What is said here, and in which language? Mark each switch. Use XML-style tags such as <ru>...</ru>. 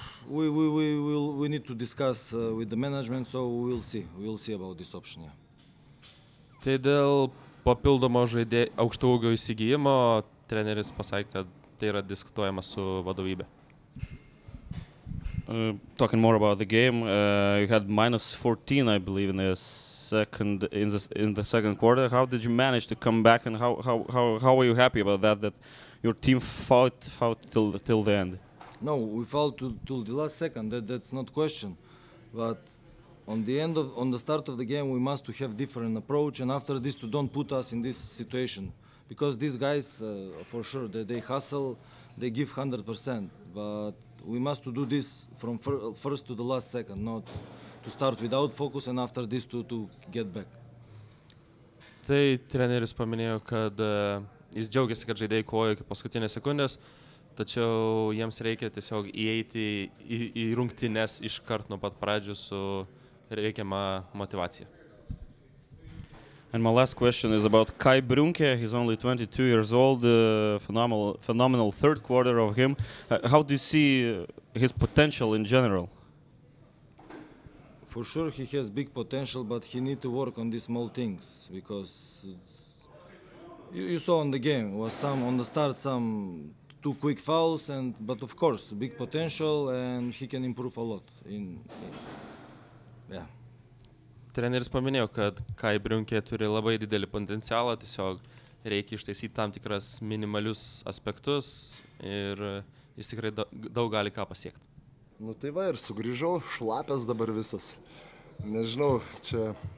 <en>We need to discuss with the management, so we'll see about this option. Yeah.</en> <lt>Tai dėl papildomo aukštaūgio įsigijimo treneris pasakė, kad tai yra diskutuojama su vadovybe.</lt> <en>Talking more about the game, you had minus 14, I believe, in the second quarter. How did you manage to come back, and how were you happy about that your team fought till the end? No, we fought till the last second. That's not question. But on the start of the game, we must to have different approach, and after this, to don't put us in this situation, because these guys for sure they hustle, they give 100%, but we must to do this from first to the last second, not to start without focus and after this to get back.</en> <lt>Tai treneris paminėjo, kad jis džiaugiasi, kad žaidėjai kovojo iki paskutinės sekundės, tačiau jiems reikia tiesiog įeiti į rungtynes iš kart nuo pat pradžių su reikiama motivacija.</lt> <en>And my last question is about Kai Brunke. He's only 22 years old. Phenomenal third quarter of him. How do you see his potential in general? For sure he has big potential, but he need to work on these small things, because you saw on the game was some on the start some too quick fouls, but of course big potential, and he can improve a lot in.</en> <lt>Treneris paminėjo, kad Kai Brunke turi labai didelį potencialą, tiesiog reikia ištaisyti tam tikras minimalius aspektus ir jis tikrai daug gali ką pasiekti. Nu tai va, ir sugrįžau, šlapęs dabar visas. Nežinau, čia...</lt>